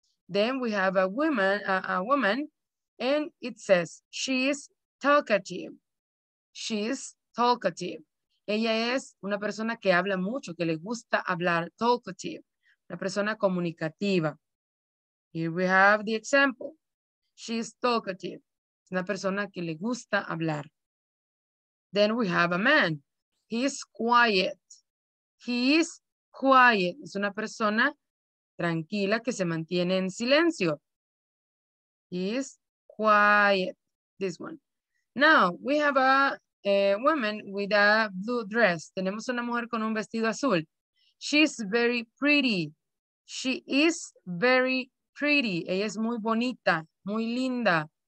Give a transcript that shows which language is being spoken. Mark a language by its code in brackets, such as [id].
[en] Then we have a woman, and it says, she is talkative. She is talkative. [es] Ella es una persona que habla mucho, que le gusta hablar, talkative. Una persona comunicativa. [en] Here we have the example. She is talkative. [es] Es una persona que le gusta hablar. [en] Then we have a man. He is quiet. He is quiet. [es] Es una persona tranquila que se mantiene en silencio. [en] He is quiet. This one. Now, we have a woman with a blue dress. [es] Tenemos una mujer con un vestido azul. [en] She's very pretty. She is very pretty. [es] Ella es muy bonita, muy linda.